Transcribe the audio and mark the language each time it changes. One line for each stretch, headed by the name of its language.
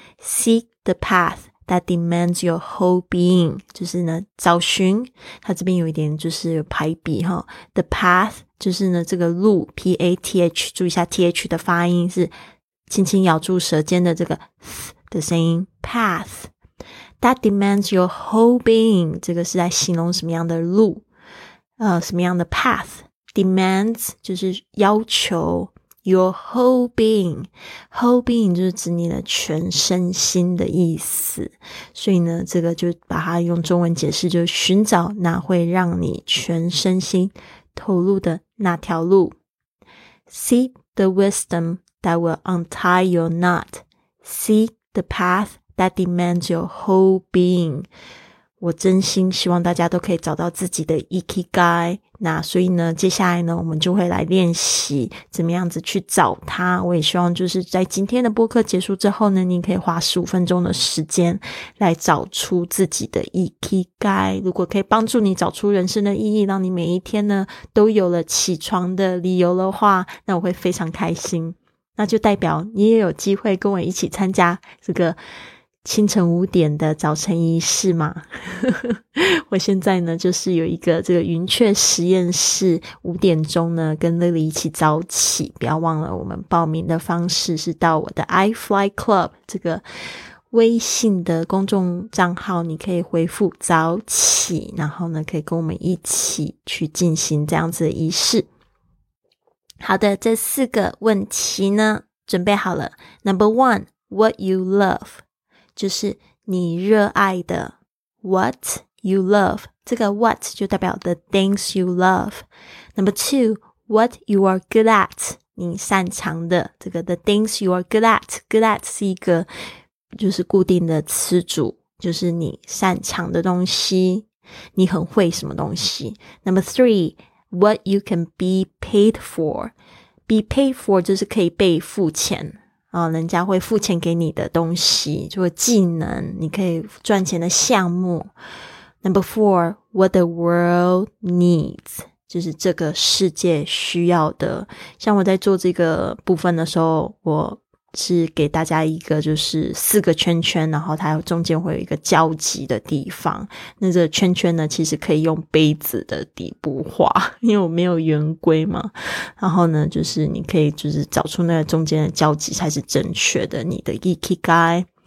English: Seek the path that demands your whole being.
Chinese: 就是呢找寻，它这边有一点就是排比齁。
English: The path
Chinese: 就是呢这个路 P-A-T-H， 注意一下 T-H 的发音，是轻轻咬住舌尖的这个 th 的声音。
English: Path that demands your whole being，
Chinese: 这个是在形容什么样的路，什么样的 path。 Demands 就是要求
English: your whole being，
Chinese: whole being 就是指你的全身心的意思。所以呢这个就把它用中文解释，就是寻找那会让你全身心投入的那条路。
English: Seek the wisdom that will untie your knot. Seek the path that demands your whole being.
Chinese: 我真心希望大家都可以找到自己的 Ikigai。那所以呢接下来呢我们就会来练习怎么样子去找它。我也希望就是在今天的播客结束之后呢，你可以花15分钟的时间来找出自己的 Ikigai。如果可以帮助你找出人生的意义，让你每一天呢都有了起床的理由的话，那我会非常开心。那就代表你也有机会跟我一起参加这个清晨五点的早晨仪式嘛。我现在呢就是有一个这个云雀实验室，五点钟呢跟 Lily 一起早起。不要忘了我们报名的方式是到我的 iFly Club 这个微信的公众账号，你可以回复早起，然后呢可以跟我们一起去进行这样子的仪式。好的，这四个问题呢准备好了。
English: Number one, what you love,
Chinese: 就是你热爱的。
English: What you love, 这个 what
Chinese: 就代表
English: the things you love。 Number two, what you are good at,
Chinese: 你擅长的。这个
English: the things you are good at,
Chinese: good at 是一个就是固定的词组，就是你擅长的东西，你很会什么东西。
English: Number three, what you can be paid for,
Chinese: be paid for 就是可以被付钱、哦、人家会付钱给你的东西，就是技能，你可以赚钱的项目。
English: Number four, what the world needs,
Chinese: 就是这个世界需要的。像我在做这个部分的时候，我是给大家一个就是四个圈圈，然后它中间会有一个交集的地方，那这个圈圈呢其实可以用杯子的底部画，因为我没有圆规嘛，然后呢就是你可以就是找出那个中间的交集才是正确的，你的 Ikigai。